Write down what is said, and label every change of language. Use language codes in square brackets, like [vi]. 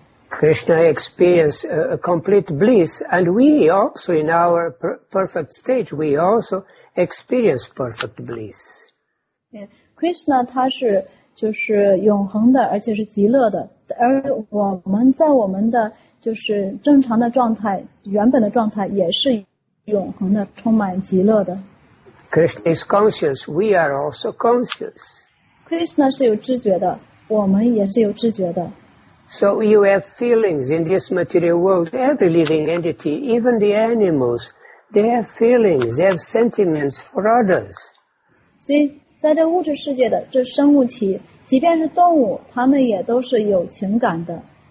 [en] Krishna experienced a complete bliss, and we also, in our perfect stage, we also experience perfect bliss. [zh] Yeah, Krishna, 他是就是永恒的，而且是极乐的。而我们在我们的就是正常的状态，原本的状态也是永恒的，充满极乐的。 [en] Krishna is conscious. We are also conscious. [zh] Krishna 是有知觉的，我们也是有知觉的。 [en] So you have feelings in this material world. Every living entity, even the animals, they have feelings, they have sentiments for others. [zh] 所以在这物质世界的这生物体，即便是动物，它们也都是有情感的。